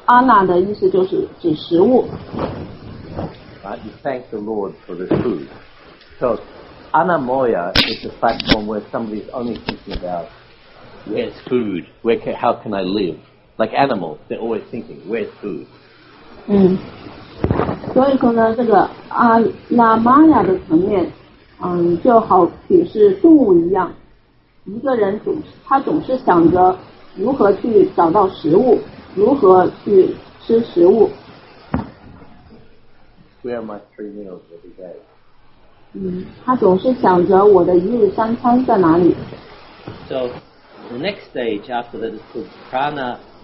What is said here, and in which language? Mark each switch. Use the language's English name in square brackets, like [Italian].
[Chinese] Ana 的意思就是指食物。 [English] Right, you thank the Lord for this food. So anamoya is a platform where somebody is only thinking about where's food, how can I live. Like animals, they're always thinking, where's food? [Chinese] 所以说呢，这个阿拉玛雅的层面，就好比是动物一样，一个人总是想着如何去找到食物，如何去吃食物。 [English] Where are my 3 meals every day? [Chinese] 他总是想着我的一日三餐在哪里。 [English] So, the next stage after that is called prana.